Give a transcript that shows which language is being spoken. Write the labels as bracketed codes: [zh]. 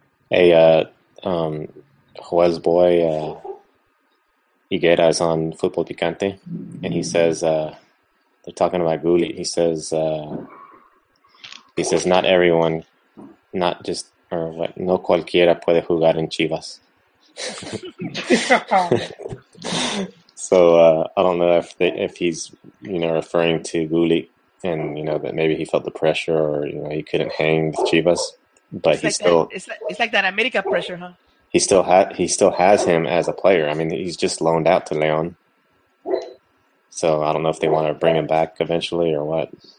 [en] Hey, Juez Boy, Higuera is on Futbol Picante, and he says, they're talking about Gullit. He says, not everyone, not just or what, [es] no cualquiera puede jugar en Chivas. [en] So I don't know if he's, you know, referring to Gullit, and you know that maybe he felt the pressure, or you know he couldn't hang with Chivas, but he like still that, it's like that America pressure, huh? He still has him as a player. I mean, he's just loaned out to León, so I don't know if they want to bring him back eventually or what.